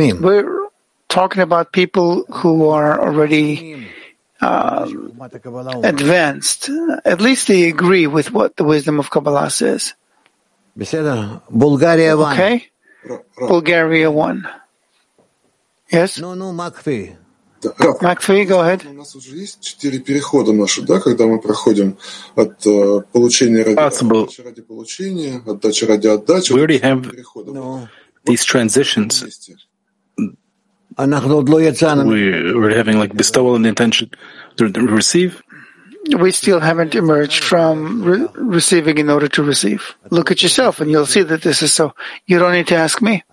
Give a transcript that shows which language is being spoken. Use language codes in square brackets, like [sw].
[en] We're talking about people who are already advanced. At least they agree with what the wisdom of Kabbalah says. Bulgaria 1. Okay? Bulgaria 1. Yes? No, Makfi. Макфей, go ahead. [ru] У нас уже есть четыре перехода наши, да, когда мы проходим от получения ради отдачи, ради получения, отдача ради отдачи. [en] We already have these transitions. We're having like bestowal and intention to receive. We still haven't emerged from receiving in order to receive. Look at yourself and you'll see that this is so. You don't need to ask me.